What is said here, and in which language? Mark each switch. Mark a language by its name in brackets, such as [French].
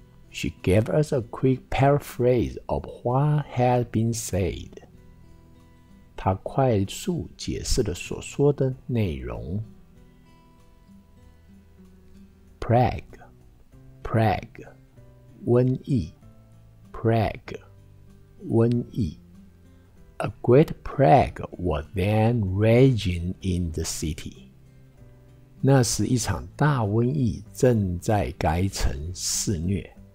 [English] She gave us a quick paraphrase of what had been said. [Chinese] 她快速解释了所说的内容。 [English] Plague, 瘟疫。 Plague, 瘟疫。 A great plague was then raging in the city. [Chinese] 那是一场大瘟疫正在该城肆虐。